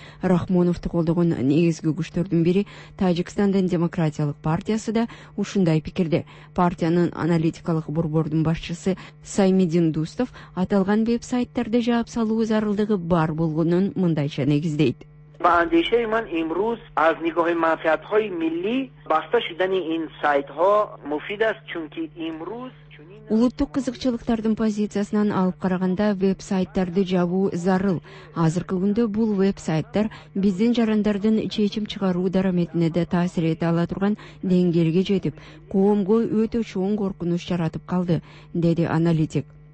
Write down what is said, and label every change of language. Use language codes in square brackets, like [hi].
[ky] Рахмоновду колдогон негизги күчтөрдүн бири Тажикстандын демократиялык партиясы да ушундай пикирде. Партиянын аналитикалык борбордун башчысы Саймидин Дустов аталган веб сайттарды жаап салуу зарылдыгы бар болгонун мындайча негиздейт. [tg] Ба андешаи ман имрӯз аз нигоҳи манфиатҳои миллӣ баста шудани ин сайтҳо муфид аст, чунки имрӯз [ky] улуттук кызыкчылыктардын позициясынан алып караганда веб-сайттарды жабуу зарыл. Азыркы күндө бул веб-сайттар биздин жарандардын чечим чыгаруу дараметине да таасир эте ала турган деңгээлге жетип, коомго өтө чоң коркунуч жаратып калды, деди аналитик.